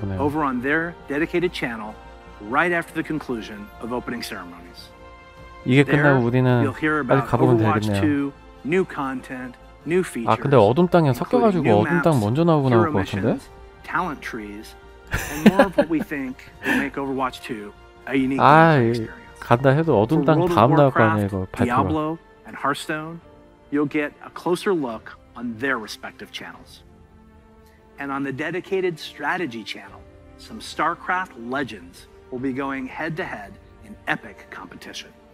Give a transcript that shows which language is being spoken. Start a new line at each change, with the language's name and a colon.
English: over on their dedicated channel right after the conclusion of opening ceremonies. There, you'll hear about Overwatch 2, new content, new features,
Korean: 아, 근데 어둠 땅이랑 섞여가지고
English: new maps,
Korean: 어둠 땅 먼저 나오고 나올 것 같은데?
English: Talent trees, and more of what we think will make Overwatch 2 a unique experience.
Korean: 간다 해도 어둠 땅 다음 나올 거 아니에요, 이거 발표가.
English: Diablo and Hearthstone, you'll get a closer look on their respective channels. And on the dedicated strategy channel, some StarCraft legends will be going head-to-head in epic competition.